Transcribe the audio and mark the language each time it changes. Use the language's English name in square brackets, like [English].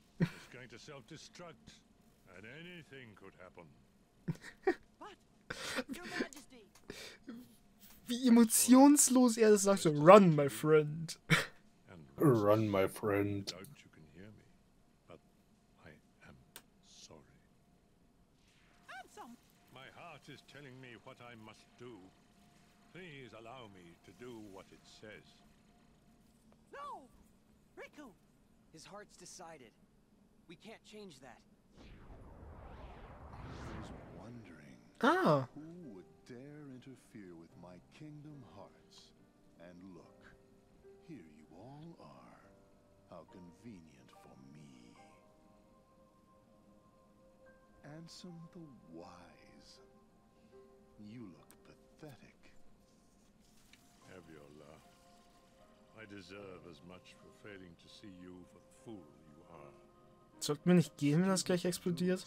[English] It's going to self-destruct, and anything could happen. What? Your Majesty. [German] Wie emotionslos er das sagt, so, [English] run, my friend. Run, my friend. I doubt you can hear me, but I am sorry. Ansem! My heart is telling me what I must do. Please allow me to do what it says. No! Riku! His heart's decided. We can't change that. I was wondering who would dare interfere with my kingdom hearts. And look, here you all are. How convenient for me. Ansem the Wise. You look pathetic. Have your love. I deserve as much for failing to see you for the fool you are. [German] Sollten wir nicht gehen, wenn das gleich explodiert?